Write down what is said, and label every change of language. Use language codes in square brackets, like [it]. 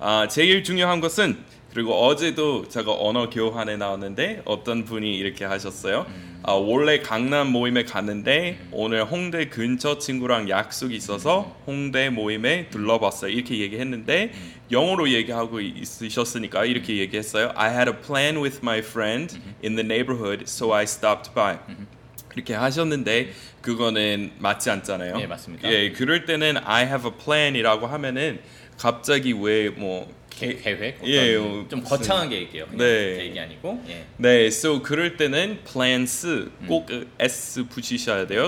[ko] 제일 중요한 것은 그리고 어제도 제가 언어 교환에 나왔는데 어떤 분이 이렇게 하셨어요. 원래 강남 모임에 갔는데 오늘 홍대 근처 친구랑 약속이 있어서 홍대 모임에 둘러봤어요. 이렇게 얘기했는데 영어로 얘기하고 있으셨으니까 이렇게 얘기했어요. [en] I had a plan with my friend in the neighborhood, so I stopped by. [ko] 이렇게 하셨는데 그거는 맞지 않잖아요. 네, 맞습니다. 예, 그럴 때는 I have a plan이라고 하면은 갑자기 왜 뭐 계획 어떤 예, 좀 거창한 계획이에요. 네. 계획이 아니고. 예. 네, so 그럴 때는 plans 꼭 s 붙이셔야 돼요.